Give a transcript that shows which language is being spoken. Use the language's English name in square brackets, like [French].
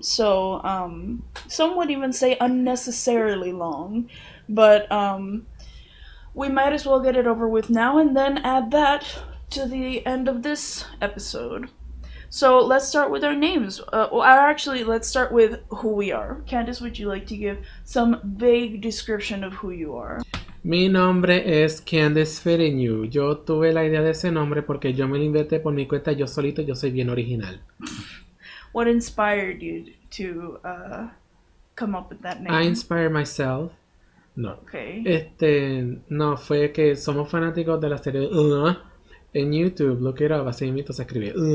[English] So, some would even say unnecessarily long, but we might as well get it over with now and then add that to the end of this episode. So let's start with our names. Let's start with who we are. Candice, would you like to give some vague description of who you are? [Spanish] Mi nombre es Candice Ferenyu. Yo tuve la idea de ese nombre porque yo me lo inventé por mi cuenta. Yo solito, yo soy bien original. [English] What inspired you to come up with that name? I inspired myself. No. Okay. [Spanish] No, fue que somos fanáticos de la serie en YouTube. [English] Look it up. [Spanish] Así mismo se escribe.